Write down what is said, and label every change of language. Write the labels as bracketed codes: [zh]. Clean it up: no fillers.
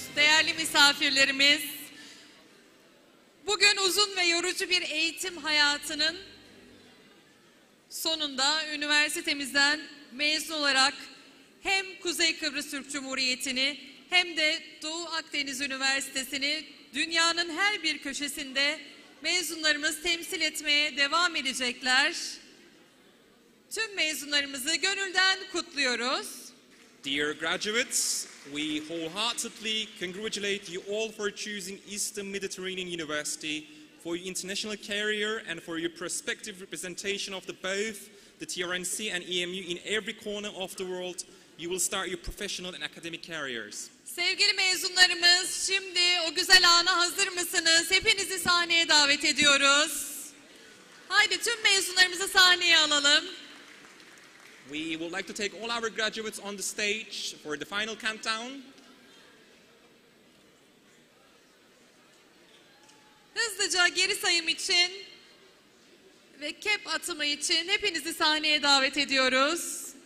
[tr] Değerli misafirlerimiz, bugün uzun ve yorucu bir eğitim hayatının sonunda üniversitemizden mezun olarak hem Kuzey Kıbrıs Türk Cumhuriyeti'ni hem de Doğu Akdeniz Üniversitesi'ni dünyanın her bir köşesinde mezunlarımız temsil etmeye devam edecekler. Tüm mezunlarımızı gönülden kutluyoruz. [en] Dear graduates, we wholeheartedly congratulate you all for choosing Eastern Mediterranean University for your international career and for your prospective representation of the both the TRNC and EMU in every corner of the world. You will start your professional and academic careers. [tr] Sevgili mezunlarımız, şimdi o güzel ana hazır mısınız? Hepinizi sahneye davet ediyoruz. Haydi tüm mezunlarımızı sahneye alalım. [en] We would like to take all our graduates on the stage for the final countdown. [tr] Hızlıca geri sayım için ve kep atımı için hepinizi sahneye davet ediyoruz.